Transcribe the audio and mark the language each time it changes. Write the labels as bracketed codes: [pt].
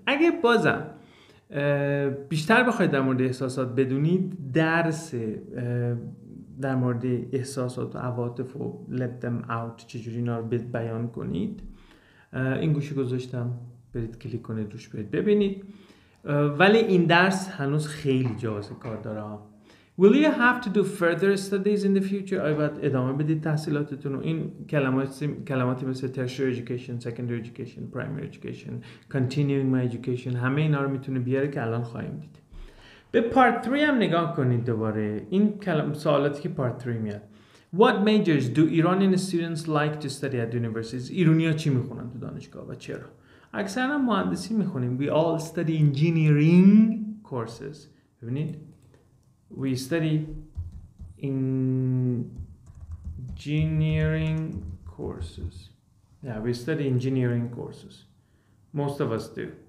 [fa] اگه بازم بیشتر بخواید در مورد احساسات بدونید، درس در مورد احساسات و عواطف و [en] let them out [fa] چجوری اینا رو بیان کنید این گوشی گذاشتم، برید کلیک کنید روش برید ببینید. ولی این درس هنوز خیلی جاذبه کار داره. [en] Will you have to do further studies in the future? [fa] آیا باید ادامه بدید تحصیلاتتون رو؟ این کلماتی مثل [en] tertiary education, secondary education, primary education, continuing my education [fa] همه اینا رو میتونه بیاره که الان خواهیم دید. به part 3 هم نگاه کنید دوباره. این سوالاتی که part 3 میاد. [en] What majors do Iranian students like to study at universities? [fa] ایرانی ها چی میخونن تو دانشگاه و چرا؟ اکثرا مهندسی میخونیم. [en] We all study engineering courses. [fa] ببینید. [en] We study engineering courses. Yeah, we study engineering courses. Most of us do.